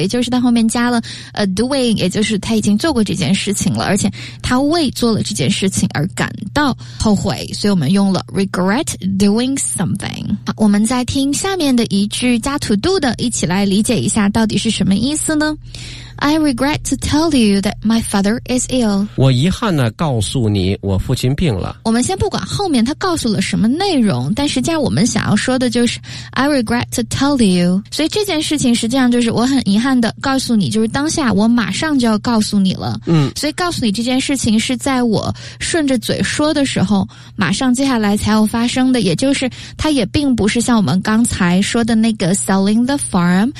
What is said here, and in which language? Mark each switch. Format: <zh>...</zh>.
<zh>也就是它后面加了doing， 也就是他已经做过这件事情了，而且他为做了这件事情而感到后悔，所以我们用了</zh> <en>regret doing something。</en> <zh>好，我们再听下面的一句加 to do 的，一起来理解一下到底是什么意思呢？</zh> <en>I regret to tell you that my father is ill。</en> <zh>我遗憾呢告诉你我父亲病了。我们先不管后面他告诉了什么内容，但实际上我们想要说的就是</zh> <en>I regret to tell you，</en> <zh>所以这件事情实际上就是我很遗憾的告诉你，就是当下我马上就要告诉你了。嗯，所以告诉你这件事情是在我顺着嘴说的时候马上接下来才要发生的，也就是他也并不是像我们刚才说的那个</zh> <en>selling the farm。</en>